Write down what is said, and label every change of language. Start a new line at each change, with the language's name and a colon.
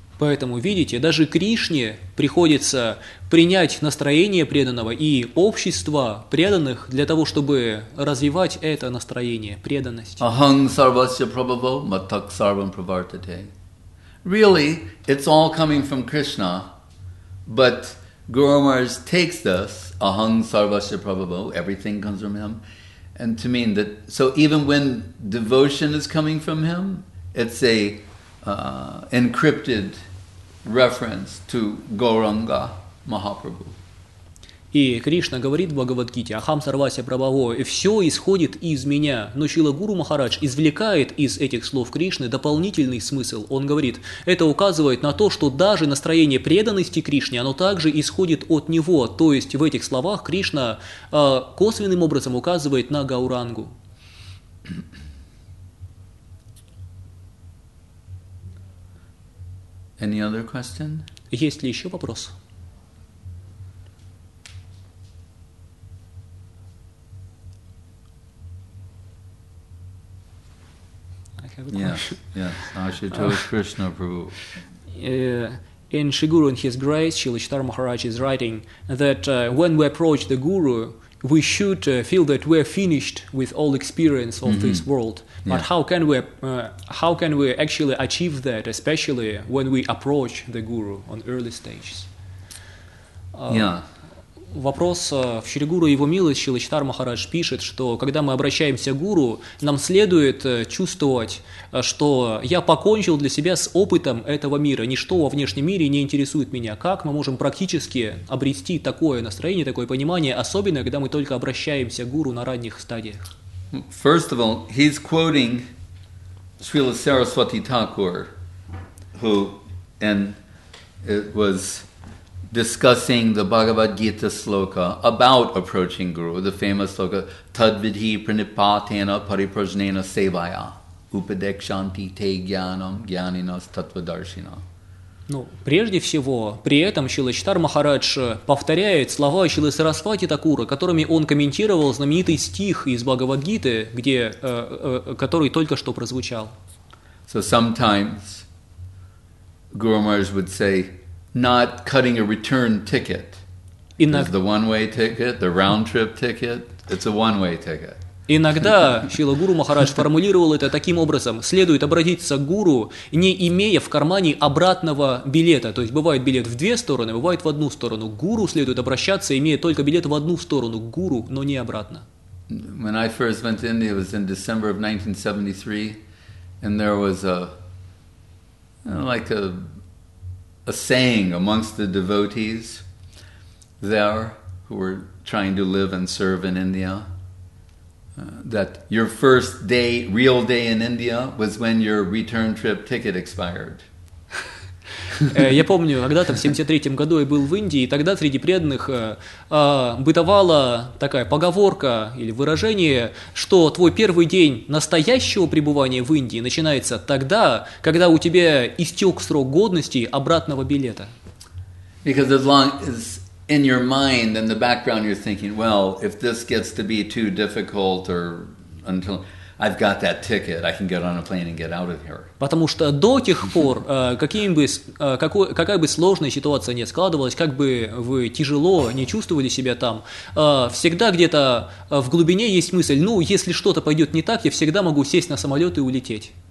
Russian: Поэтому, видите, даже Кришне приходится принять настроение преданного и общество преданных для того, чтобы развивать это настроение, преданность.
Sanskrit: Ахаṃ sarvasya prabhavo mattak sarvam pravartate.
English: Really, it's all coming from Krishna, but Guru Maharaj takes this,
Sanskrit: Ahaṃ sarvasya prabhavo,
English: everything comes from him, And to mean that, so even when devotion is coming from him, it's a encrypted reference to Gauranga Mahaprabhu.
Russian: И Кришна говорит в Бхагавадгите,
Sanskrit: Ахам Сарвасия Прабаво,
Russian: все исходит из меня, но Шрила Гуру Махарадж извлекает из этих слов Кришны дополнительный смысл. Он говорит, это указывает на то, что даже настроение преданности Кришне, оно также исходит от него. То есть в этих словах Кришна косвенным образом указывает на Гаурангу.
English: Any other question?
Russian: Есть ли еще вопрос?
English: Yes, Ashutosh Krishna Prabhu. In Shri Guru and His Grace, Srila Chaitanya Maharaj is writing that when we approach the Guru, we should feel that we are finished with all experience of this world. But how can we actually achieve that, especially when we approach the Guru on early stages?
Russian: Вопрос в Шри Гуру и его милость. Шрила Чайтанья Махарадж пишет, что когда мы обращаемся к Гуру, нам следует чувствовать, что я покончил для себя с опытом этого мира, ничто во внешнем мире не интересует меня. Как мы можем практически обрести такое настроение, такое понимание, особенно когда мы только обращаемся к Гуру на ранних стадиях?
English: First of all, he's quoting Srila Saraswati Thakur, who and it was discussing the Bhagavad Gita sloka about approaching Guru, the famous sloka,
Sanskrit: Tadvidhi Pranipatena Pariprajnena Sevaya, Upadekshanti Te Gyanam Gyaninas Tattvadarshina.
Russian: Ну, прежде всего, при этом Шрила Чайтанья Махарадж повторяет слова Шрилы Сарасвати Такура, которыми он комментировал знаменитый стих из Бхагавадгиты, где, который только что прозвучал.
English: So sometimes Guru Maharaj would say, not cutting a return ticket. It's the one-way ticket, the round-trip ticket. It's a one-way ticket.
Russian: Иногда Шрила Гуру Махарадж формулировал это таким образом. Следует обратиться к Гуру, не имея в кармане обратного билета. То есть бывает билет в две стороны, бывает в одну сторону. К Гуру следует обращаться, имея только билет в одну сторону. К Гуру, но не обратно.
English: When I first went to India, it was in December of 1973, and there was a saying amongst the devotees there who were trying to live and serve in India, that your first day, real day in India, was when your return trip ticket expired.
Russian: Я помню, когда-то в 73-м году я был в Индии, и тогда среди преданных бытовала такая поговорка или выражение, что твой первый день настоящего пребывания в Индии начинается тогда, когда у тебя истек срок годности обратного билета.
English: Because as long as in your mind, in the background, you're thinking, well, if this gets to be too difficult or until... I've got that ticket. I can get on a plane and get out of here.
Russian: Потому что до тех пор, какая бы сложная ситуация ни складывалась, как бы вы тяжело не чувствовали себя там, всегда где-то в глубине есть мысль: ну, если что-то пойдет не так, я всегда могу сесть на самолет и улететь.